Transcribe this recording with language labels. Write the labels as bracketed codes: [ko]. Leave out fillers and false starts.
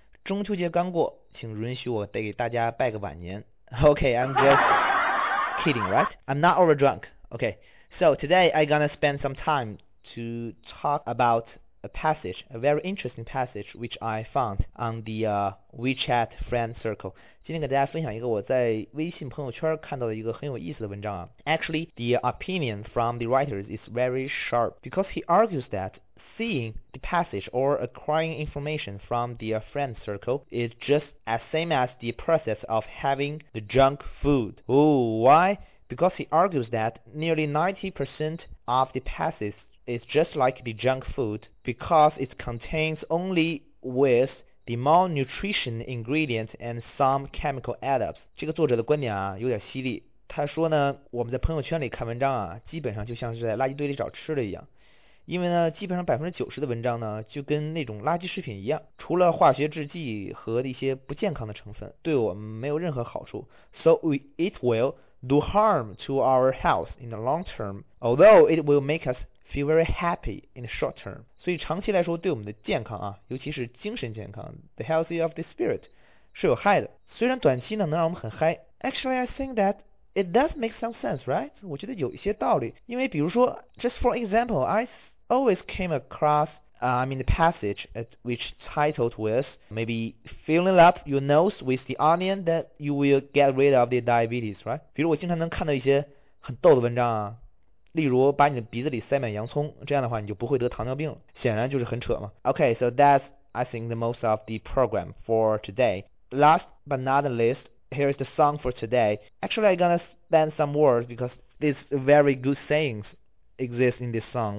[zh] 中秋节刚过，请允许我得给大家拜个晚年。 [en] Okay, I'm just kidding, right? I'm not over drunk. Okay, so today I'm gonna spend some time to talk about a passage, a very interesting passage which I found on the WeChat friend circle. [zh] 今天给大家分享一个我在微信朋友圈看到的一个很有意思的文章啊。 [en] Actually, the opinion from the writers is very sharp because he argues that seeing the passage or acquiring information from the friend circle is just as same as the process of having the junk food. Oh, why? Because he argues that nearly 90% of the passages is just like the junk food because it contains only with the malnutrition ingredient and some chemical add-ups. [zh] 这个作者的观点啊有点犀利，他说呢，我们在朋友圈里看文章啊，基本上就像是在垃圾堆里找吃的一样，因为呢基本上90%的文章呢就跟那种垃圾食品一样，除了化学制剂和一些不健康的成分，对我们没有任何好处。 [en] So it will do harm to our health in the long term, although it will make us feel very happy in the short term. [zh] 所以长期来说对我们的健康啊，尤其是精神健康， [en] the healthy of the spirit [zh] 是有害的，虽然短期呢能让我们很嗨。 [en] Actually, I think that it does make some sense, right? [zh] 我觉得有一些道理，因为比如说 [en] just for example, I always came across the passage at which titled with maybe filling up your nose with the onion that you will get rid of the diabetes, right? [zh] 比如我经常能看到一些很逗的文章啊，例如把你的鼻子里塞满洋葱，这样的话你就不会得糖尿病了，显然就是很扯嘛。 [en] Okay, so that's I think the most of the program for today. Last but not least, here is the song for today. Actually, I'm gonna spend some words because these very good sayings exist in this song.